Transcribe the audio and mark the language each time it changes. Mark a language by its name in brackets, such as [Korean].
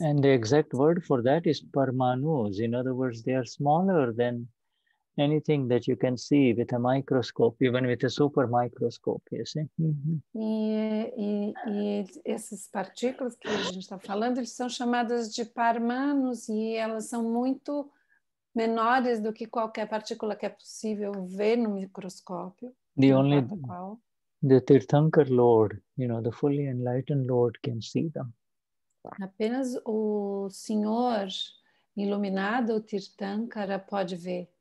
[English] And the exact word for that is parmanus. In other words, they are smaller than anything that you can see with a microscope, even with a super microscope, you see? Mm-hmm. [Portuguese] E essas partículas que a gente está falando, eles são chamadas de parmanos e elas são muito menores do que qualquer partícula que é possível ver no microscópio. [English] The only, the Tirthankar Lord, you know, the fully enlightened Lord can see them. [Portuguese] Apenas o senhor iluminado, o Tirthankara, pode ver.